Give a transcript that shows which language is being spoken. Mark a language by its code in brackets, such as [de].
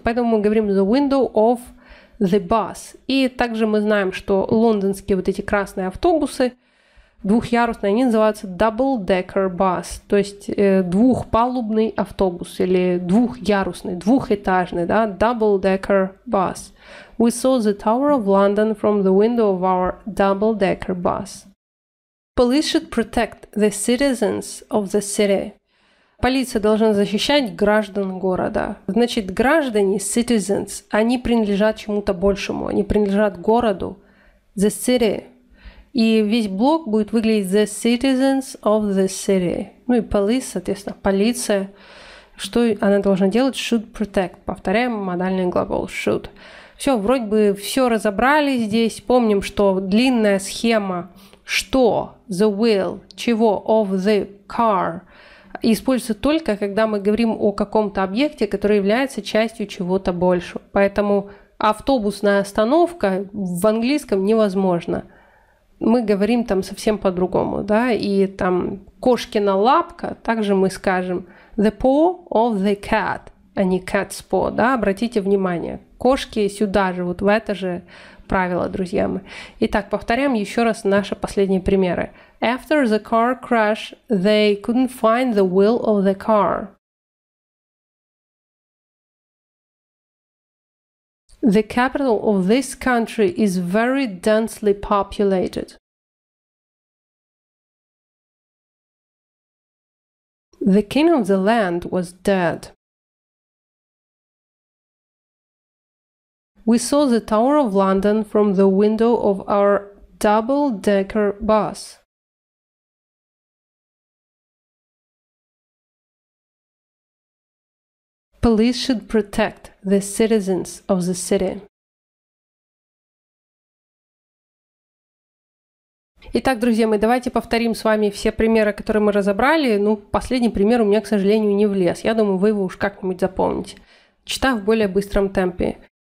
[ru] Поэтому мы говорим [en] the window of the bus. [ru] И также мы знаем, что лондонские вот эти красные автобусы двухъярусные, они называются double-decker bus, то есть двухпалубный автобус или двухъярусный, двухэтажный, да, double-decker bus. [en] We saw the Tower of London from the window of our double-decker bus. Police should protect the citizens of the city. [ru] Полиция должна защищать граждан города. Значит, граждане, citizens, они принадлежат чему-то большему. Они принадлежат городу, [en] the city. [ru] И весь блок будет выглядеть [en] the citizens of the city. [ru] Ну и police, соответственно, полиция. Что она должна делать? [en] Should protect. [ru] Повторяем модальный глагол should. Все, вроде бы все разобрали здесь. Помним, что длинная схема что, [en] the wheel, [ru] чего, [en] of the car, [ru] используется только, когда мы говорим о каком-то объекте, который является частью чего-то большего. Поэтому автобусная остановка в английском невозможна. Мы говорим там совсем по-другому, да, и там кошкина лапка, также мы скажем [en] The paw of the cat, [ru] а не [en] cat's paw, [ru] да, обратите внимание. Кошки сюда живут, в это же правило, друзья мои. Итак, повторяем еще раз наши последние примеры. [en] After the car crash, they couldn't find the wheel of the car. The capital of this country is very densely populated. The king of the land was dead. We saw the Tower of London from the window of our double-decker bus. Police should protect the citizens of the city. [ru] Итак, друзья мои, давайте повторим с вами все примеры, которые мы разобрали. Ну, последний пример у меня, к сожалению, не влез. Я думаю, вы его уж как-нибудь запомните. Читав в более быстром темпе.